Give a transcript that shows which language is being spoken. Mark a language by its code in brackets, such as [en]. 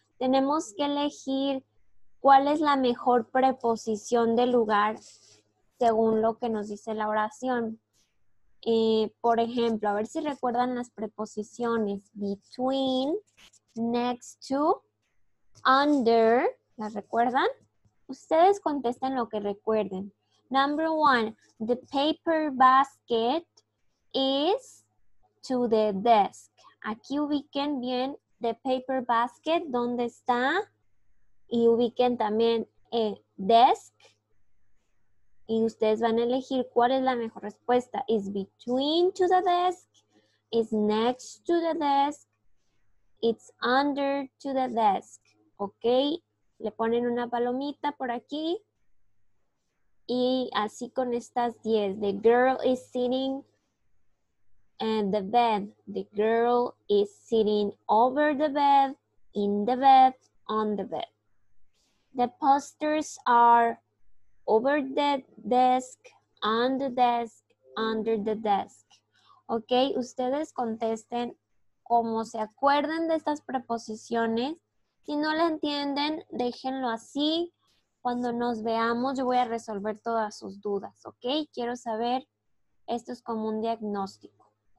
[es] Tenemos que elegir cuál es la mejor preposición del lugar según lo que nos dice la oración. Por ejemplo, a ver si recuerdan las preposiciones [en] between, next to, under, [es] ¿las recuerdan? Ustedes contesten lo que recuerden. [en] Number one, the paper basket is to the desk. [es] Aquí ubiquen bien [en] the paper basket, [es] ¿dónde está? Y ubiquen también el desk. Y ustedes van a elegir cuál es la mejor respuesta. [en] Is between to the desk, is next to the desk, it's under to the desk. [es] Ok, le ponen una palomita por aquí. Y así con estas 10. [en] The girl is sitting in the bed. The girl is sitting over the bed, in the bed, on the bed. The posters are over the desk, on the desk, under the desk. [es] Ok, ustedes contesten como se acuerden de estas preposiciones. Si no la entienden, déjenlo así. Cuando nos veamos, yo voy a resolver todas sus dudas. Ok, quiero saber, esto es como un diagnóstico.